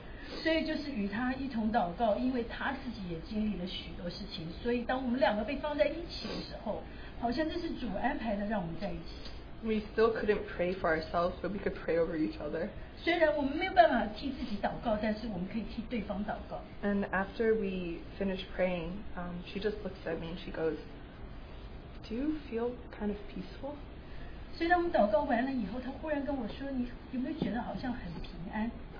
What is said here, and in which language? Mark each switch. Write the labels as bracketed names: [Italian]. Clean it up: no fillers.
[Chinese] 所以就是与她一同祷告，因为她自己也经历了许多事情，所以当我们两个被放在一起的时候。好像这是主安排的，让我们在一起。 [English] We still couldn't pray for ourselves, but we could pray over each other. [Chinese] 虽然我们没有办法替自己祷告，但是我们可以替对方祷告。 [English] And after we finished praying, she just looks at me and she goes, "Do you feel kind of peaceful?" [Chinese] 所以当我们祷告完了以后，她忽然跟我说，你有没有觉得好像很平安？